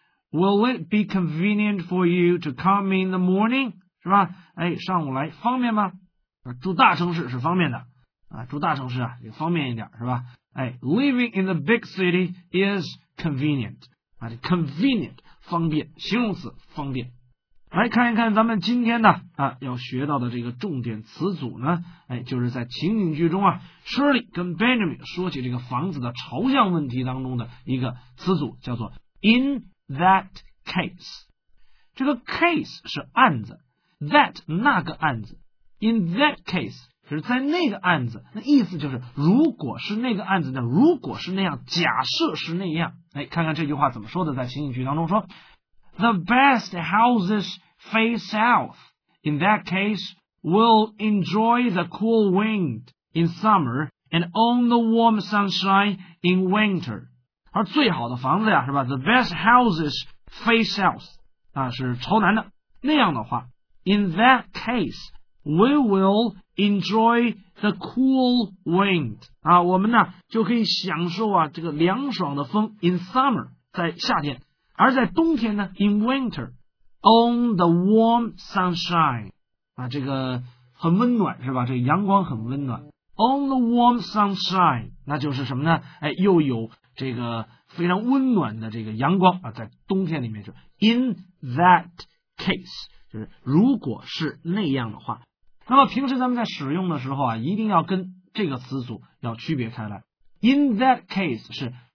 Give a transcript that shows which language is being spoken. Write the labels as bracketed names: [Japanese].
[English] will it be convenient for you to come in the morning [Chinese] 是吧哎，上午来方便吗住大城市是方便的啊，住大城市啊也方便一点是吧哎 , [English] living in the big city is convenient, [Chinese] 啊 ,convenient, 方便形容词方便。来看一看咱们今天呢啊要学到的这个重点词组呢哎就是在情景剧中啊 ,Shirley 跟 Benjamin 说起这个房子的朝向问题当中的一个词组叫做 in that case。这个 case 是案子 ,that 那个案子 ,in that case,就是在那个案子那意思就是如果是那个案子那如果是那样假设是那样哎，看看这句话怎么说的在情景剧当中说 [English] The best houses face south In that case We'll enjoy the cool wind in summer And own the warm sunshine in winter [Chinese] 而最好的房子呀是吧 [English] The best houses face south [Chinese] 啊，是朝南的那样的话 [English] In that caseWe will enjoy the cool wind. [Chinese] 啊，我们呢就可以享受啊这个凉爽的风 [English] in summer, [Chinese] 在夏天。而在冬天呢 [English] in winter, on the warm sunshine. [Chinese] 啊，这个很温暖是吧这个阳光很温暖。 [English] On the warm sunshine, [Chinese] 那就是什么呢哎又有这个非常温暖的这个阳光啊在冬天里面就 in that case. 就是如果是那样的话那么平时咱们在使用的时候啊一定要跟这个词组要区别开来 in that case 是